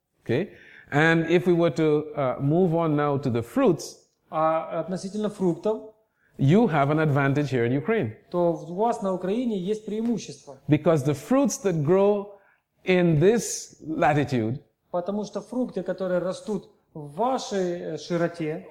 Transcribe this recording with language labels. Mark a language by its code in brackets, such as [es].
[en] Okay. And if we were to move on now to the fruits, [ru] а относительно фруктов, [en] you have an advantage here in Ukraine. [ru] То у вас на Украине есть преимущество. [en] Because the fruits that grow in this latitude, [ru] потому что фрукты, которые растут в вашей широте,